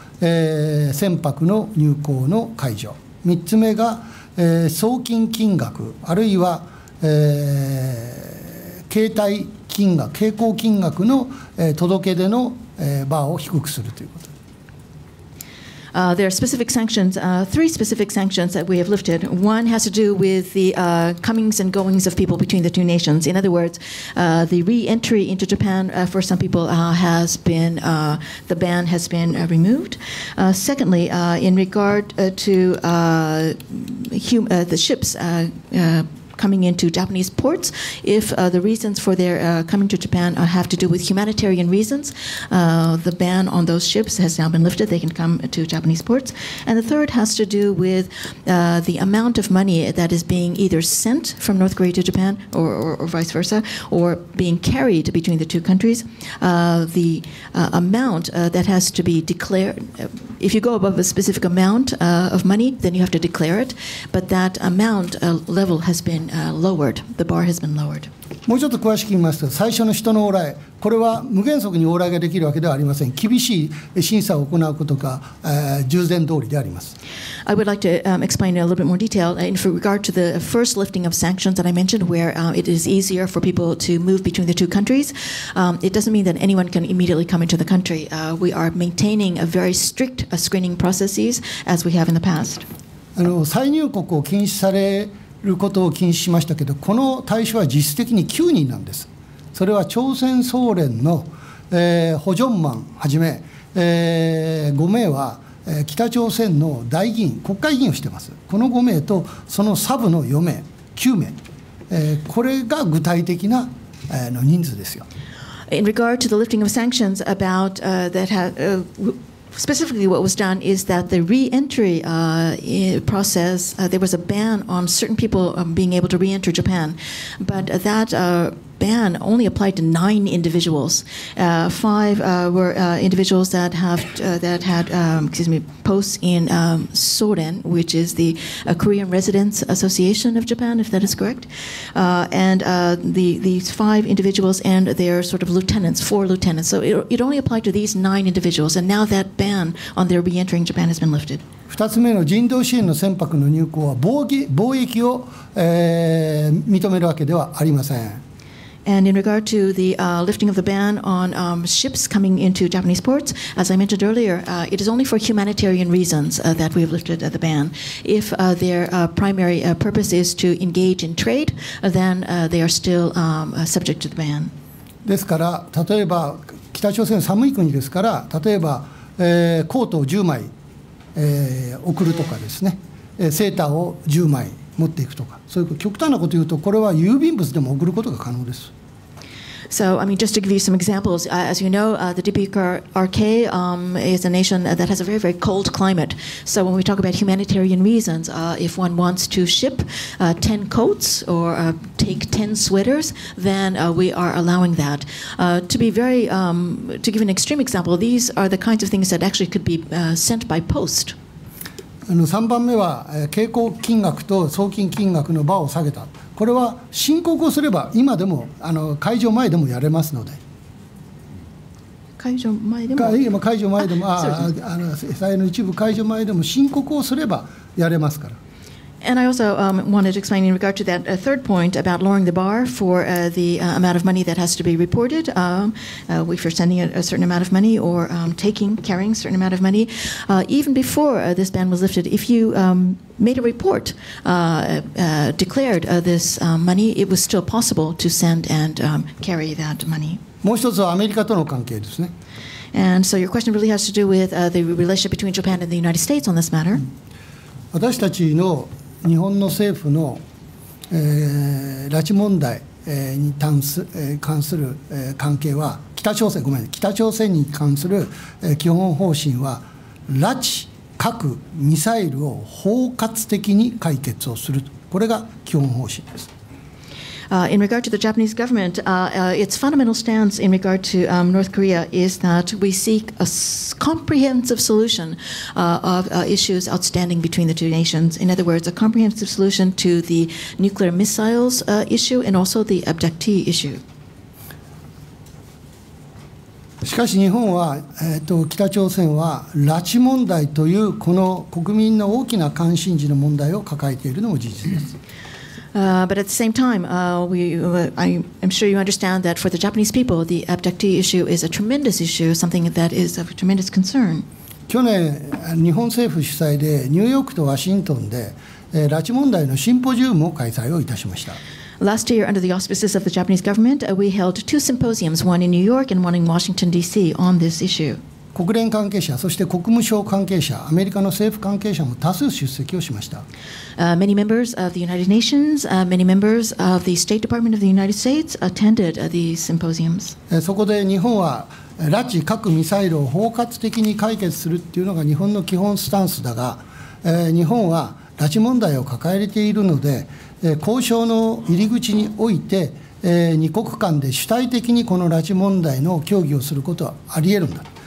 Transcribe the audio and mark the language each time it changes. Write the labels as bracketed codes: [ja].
[ja] 船舶の入港の解除、3つ目が、送金金額あるいは、携帯金額、携行金額の、届け出の、バーを低くするということ。 [en] There are specific sanctions, three specific sanctions that we have lifted. One has to do with the comings and goings of people between the two nations. In other words, the re-entry into Japan for some people has been, the ban has been removed. Secondly, in regard to the ships coming into Japanese ports, if the reasons for their coming to Japan have to do with humanitarian reasons, the ban on those ships has now been lifted. They can come to Japanese ports. And the third has to do with the amount of money that is being either sent from North Korea to Japan or vice versa, or being carried between the two countries. The amount that has to be declared, if you go above a specific amount of money, then you have to declare it. But that amount level has beenlowered. The bar has been lowered. [ja] もうちょっと詳しく言いますと、最初の人の往来、これは無原則に往来ができるわけではありません。厳しい審査を行うことが、従前通りであります。 [en] I would like to explain in a little bit more detail in regard to the first lifting of sanctions that I mentioned, where it is easier for people to move between the two countries. It doesn't mean that anyone can immediately come into the country. We are maintaining a very strict screening processes as we have in the past. [ja] 再入国を禁止されることを禁止しましたけど、この対象は実質的に9人なんです。それは朝鮮総連の、ホジョンマンはじめ、5名は、北朝鮮の代議員、国会議員をしています。この5名とそのサブの4名、9名、これが具体的な、の人数ですよ。 [en] In regard to the lifting of sanctions about that have specifically, what was done is that the re-entry process, there was a ban on certain people being able to re-enter Japan. But that ban only applied to 9 individuals. Five were individuals that have that had posts in Soren, which is the Korean Residents Association of Japan, if that is correct. And these five individuals and their sort of lieutenants, 4 lieutenants. So it only applied to these 9 individuals. And now that ban on their re-entering Japan has been lifted. [ja] 2つ目の人道支援の船舶の入港は貿易を、認めるわけではありません。 [en] And in regard to the lifting of the ban on ships coming into Japanese ports, as I mentioned earlier, it is only for humanitarian reasons that we have lifted the ban. If their primary purpose is to engage in trade, then they are still subject to the ban. [ja] ですから、例えば北朝鮮は寒い国ですから、例えば、コートを10枚、送るとかですね、セーターを10枚。持っていくとか、そういう極端なことを言うと、これは郵便物でも送ることが可能です。 [en] So, I mean, just to give you some examples, as you know, the DPRK is a nation that has a very, very cold climate. So when we talk about humanitarian reasons, if one wants to ship 10 coats or take 10 sweaters, then we are allowing that. To give an extreme example, these are the kinds of things that actually could be sent by post. [ja] 3番目は、携行金額と送金金額のバーを下げた。これは申告をすれば今でも解除前でもやれますので。解除前でも、債の一部解除前でも申告をすればやれますから。 [en] And I also wanted to explain in regard to that third point about lowering the bar for the amount of money that has to be reported. If you're sending a certain amount of money or carrying a certain amount of money, even before this ban was lifted, if you made a report, declared this money, it was still possible to send and carry that money. [ja] もう一つはアメリカとの関係ですね。 [en] And so your question really has to do with the relationship between Japan and the United States on this matter. [ja] 私たちの日本の政府の、拉致問題に関する関係は北朝鮮に関する基本方針は拉致核ミサイルを包括的に解決をする、これが基本方針です。 [en] In regard to the Japanese government, its fundamental stance in regard to North Korea is that we seek a comprehensive solution of issues outstanding between the two nations. In other words, a comprehensive solution to the nuclear missiles issue and also the abductee issue. [ja] しかし日本は、北朝鮮は拉致問題というこの国民の大きな関心事の問題を抱えているのも事実です。 [en] But at the same time, I am sure you understand that for the Japanese people, the abductee issue is a tremendous issue, something that is of tremendous concern. [ja] 去年、日本政府主催でニューヨークとワシントンで、拉致問題のシンポジウムを開催をいたしました。 [en] Last year, under the auspices of the Japanese government, we held two symposiums, one in New York and one in Washington, D.C., on this issue. [ja] 国連関係者、そして国務省関係者、アメリカの政府関係者も多数出席をしました。 [en] Many members of the United Nations, many members of the State Department of the United States attended these symposiums. [ja] そこで日本は拉致核ミサイルを包括的に解決するっていうのが日本の基本スタンスだが、日本は拉致問題を抱えているので、交渉の入り口において、二国間で主体的にこの拉致問題の協議をすることはあり得るんだ、